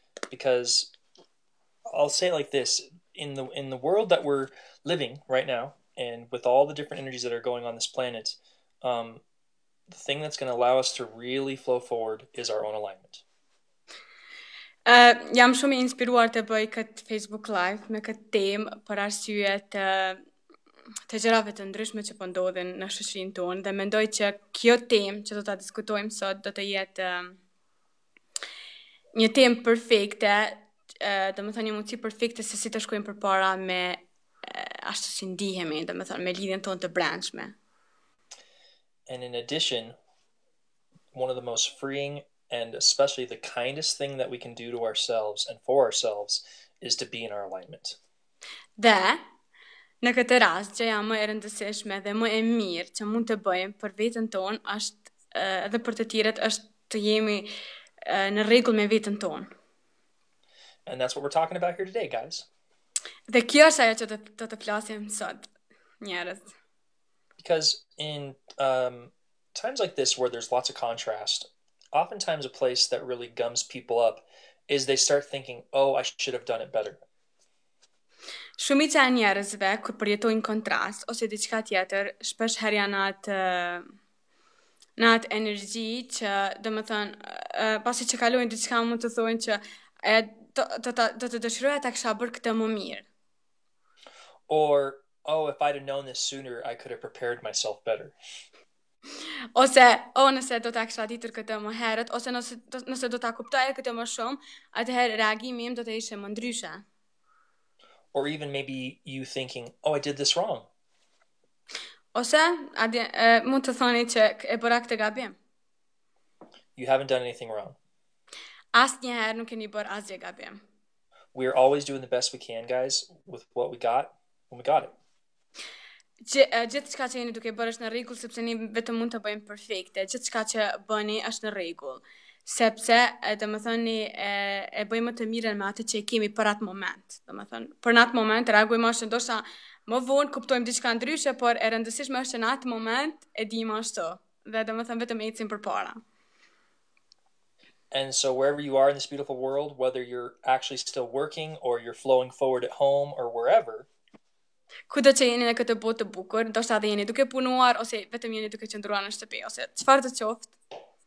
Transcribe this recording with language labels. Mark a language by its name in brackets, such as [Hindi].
[English] Because I'll say it like this: in the world that we're living right now, and with all the different energies that are going on this planet, the thing that's going to allow us to really flow forward is our own alignment. Já me sou me inspirou até bem que Facebook Live, me que tem para si [Albanian] Të gjërave të ndryshme që po ndodhin në shoqërinë tonë dhe mendoj që kjo temë që do ta diskutojmë sot do të jetë një temë perfekte, domethënë një mundësi perfekte se si të shkojmë përpara me ashtu si ndihemi, domethënë me lidhjen tonë të brendshme. [English] And in addition, one of the most freeing and especially the kindest thing that we can do to ourselves and for ourselves is to be in our alignment. [Albanian] Dhe Në këtë rast, gjëja më e rëndësishme dhe më e mirë që mund të bëjmë për veten tonë është edhe për të tjerët është të jemi në rregull me veten tonë. [English] And that's what we're talking about here today, guys. [Albanian] Dhe kjo është ajo që do të flasim sot, njerëz. [English] Because in times like this, where there's lots of contrast, oftentimes a place that really gums people up is they start thinking, oh, I should have done it better. [Albanian] Shumica e njerëzve kur përjetojnë kontrast ose diçka tjetër, shpesh herë janë në atë energji që, domethënë, pasi që kalojnë diçka mund të thonë që do të dëshiroja ta kisha bërë këtë më mirë. [English] Or, oh, if I'd have known this sooner, I could have prepared myself better. [Albanian] Ose, o nëse do ta kisha ditur këtë më herët, ose nëse do ta kuptoja këtë më shumë, atëherë reagimi im do të ishte më ndryshe. [English] Or even maybe you thinking, oh, I did this wrong. [Albanian] Ose, mund të thoni që e bëra këtë gabim. [English] You haven't done anything wrong. [Albanian] Asnjëherë nuk keni bërë asgjë gabim. [English] We are always doing the best we can, guys, with what we got when we got it. [Albanian] Gjithçka që jeni duke bërë është në rregull sepse ne vetëm mund të bëjmë perfekte. Gjithçka që bëni është në rregull. Sepse, domethënë, e bëjmë të mirën me atë që e kemi për atë moment. Domethënë, për në atë moment reagojmë ashtu ndoshta Më vonë kuptojmë diçka ndryshe, por e rëndësishme është që në atë moment e dimë ashtu. Dhe do të them vetëm ecim përpara. [English] And so wherever you are in this beautiful world, whether you're actually still working or you're flowing forward at home or wherever, [Albanian] Kudo që jeni në këtë botë të bukur, ndoshta edhe jeni duke punuar ose vetëm jeni duke qëndruar në shtëpi ose çfarë të qoftë.